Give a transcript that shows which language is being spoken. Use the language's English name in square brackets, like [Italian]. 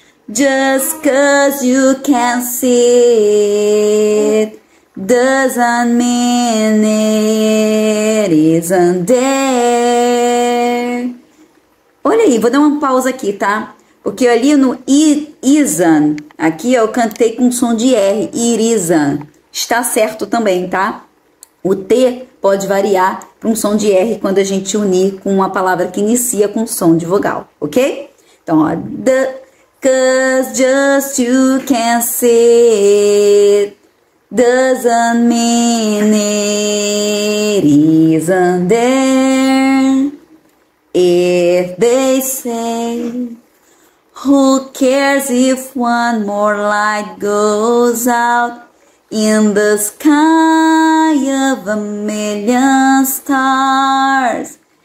[English] Just 'cause you can't see it doesn't mean it isn't there. [Portuguese] Olha aí, vou dar uma pausa aqui, tá? Porque ali no isn't, aqui eu cantei com som de R, [English] it isn't. [Portuguese] Está certo também, tá? O T pode variar para um som de R quando a gente unir com uma palavra que inicia com som de vogal, ok? Então, ó, [English] the, 'cause just you can't say it doesn't mean it isn't there. If they say, who cares if one more light goes out in the sky of a million stars?